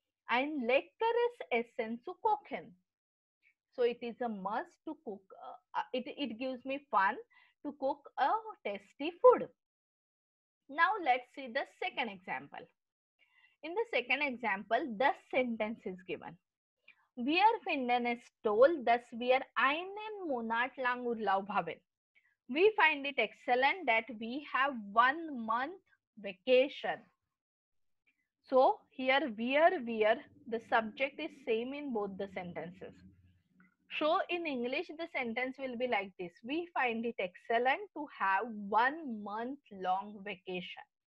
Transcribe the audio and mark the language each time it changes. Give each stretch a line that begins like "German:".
German: Ein leckeres Essen zu kochen.
English: So it is a must to cook. It gives me fun to cook a tasty food. Now let's see the second example. In the second example, the sentence is given.
German: Wir finden es toll, dass wir einen Monat lang Urlaub haben.
English: We find it excellent that we have 1 month vacation. So, here wir, the subject is same in both the sentences. So, in English, the sentence will be like this. We find it excellent to have 1 month long vacation.